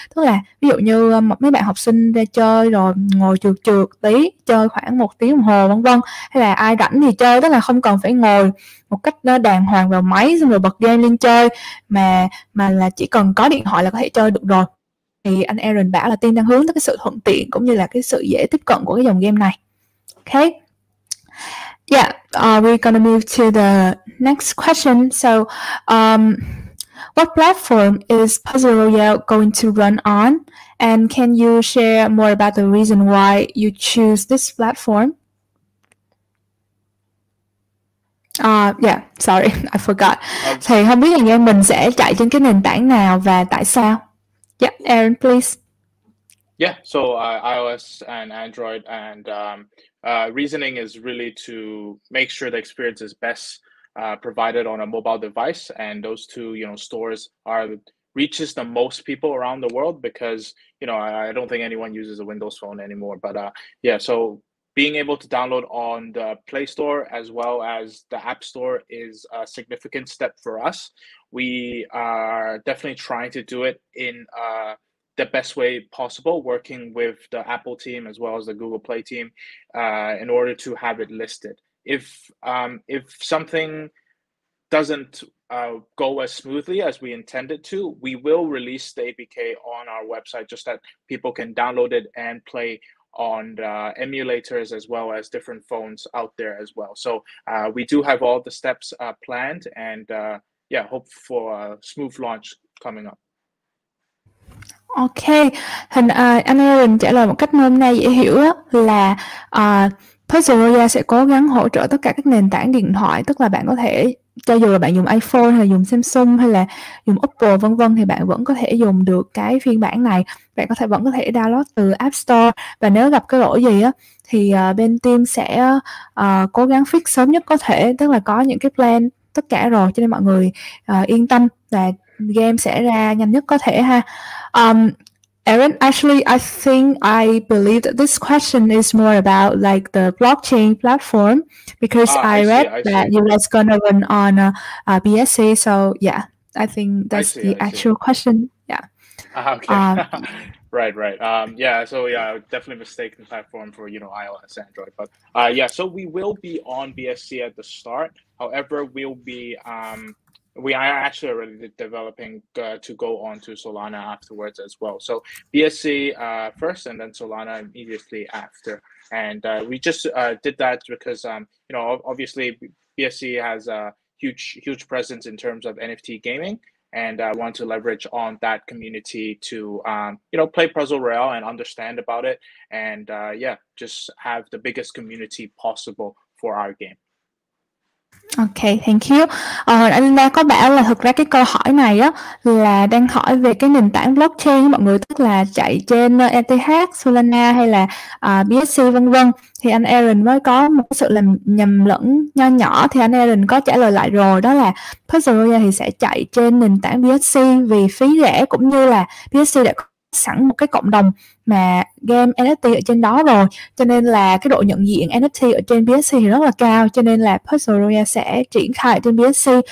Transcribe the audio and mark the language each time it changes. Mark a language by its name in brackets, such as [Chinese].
[Vietnamese] Tức là ví dụ như mấy bạn học sinh ra chơi rồi ngồi trượt tí, chơi khoảng 1 tiếng đồng hồ vân vân, hay là ai rảnh thì chơi, tức là không cần phải ngồi một cách đàng hoàng vào máy xong rồi bật game lên chơi, mà là chỉ cần có điện thoại là có thể chơi được rồi. Thì anh Aaron bảo là team đang hướng tới cái sự thuận tiện cũng như là cái sự dễ tiếp cận của cái dòng game này. [English] Okay. Yeah, we're gonna move to the next question. So, what platform is Puzzle Royale going to run on? And can you share more about the reason why you choose this platform? Yeah, sorry, I forgot. [Vietnamese] Thì không biết là game mình sẽ chạy trên cái nền tảng nào và tại sao? [English] Yeah, Aaron, please. Yeah, so iOS and Android, and reasoning is really to make sure the experience is best provided on a mobile device, and those two, you know, stores reaches the most people around the world, because, you know, I don't think anyone uses a Windows phone anymore. But yeah, so being able to download on the Play Store as well as the App Store is a significant step for us. We are definitely trying to do it in the best way possible, working with the Apple team as well as the Google Play team in order to have it listed. If something doesn't go as smoothly as we intended to, we will release the APK on our website just that people can download it and play on the emulators as well as different phones out there as well. So we do have all the steps planned, and yeah, hope for a smooth launch coming up. [Vietnamese] Ok, anh Aaron trả lời một cách hôm nay dễ hiểu là Puzzle Royale sẽ cố gắng hỗ trợ tất cả các nền tảng điện thoại, tức là bạn có thể, cho dù là bạn dùng iPhone hay là dùng Samsung hay là dùng Oppo vân vân, thì bạn vẫn có thể dùng được cái phiên bản này. Bạn có thể vẫn có thể download từ App Store, và nếu gặp cái lỗi gì á thì bên team sẽ cố gắng fix sớm nhất có thể, tức là có những cái plan tất cả rồi, cho nên mọi người yên tâm là game sẽ ra nhanh nhất có thể ha. [English] Aaron, actually, I think I believe that this question is more about like the blockchain platform, because I read that you guys gonna run on a BSC. So yeah, I think that's the actual question. Yeah. Right. Definitely mistaken the platform for, you know, iOS, Android. But so we will be on BSC at the start. However, we'll be we are actually already developing to go on to Solana afterwards as well. So BSC first and then Solana immediately after. And we just did that because, you know, obviously BSC has a huge presence in terms of NFT gaming. And I want to leverage on that community to, you know, play Puzzle Royale and understand about it. And yeah, just have the biggest community possible for our game. Ok, thank you. [Vietnamese] Anh Linh có bảo là thực ra cái câu hỏi này á, là đang hỏi về cái nền tảng blockchain mọi người, tức là chạy trên ETH, Solana hay là BSC vân vân. Thì anh Aaron mới có một sự làm nhầm lẫn nho nhỏ, thì anh Aaron có trả lời lại rồi, đó là Puzzle Royale thì sẽ chạy trên nền tảng BSC vì phí rẻ, cũng như là BSC đã có sẵn một cái cộng đồng mà game NFT ở trên đó rồi, cho nên là cái độ nhận diện NFT ở trên BSC thì rất là cao, cho nên là Puzzle Royale sẽ triển khai ở trên BSC.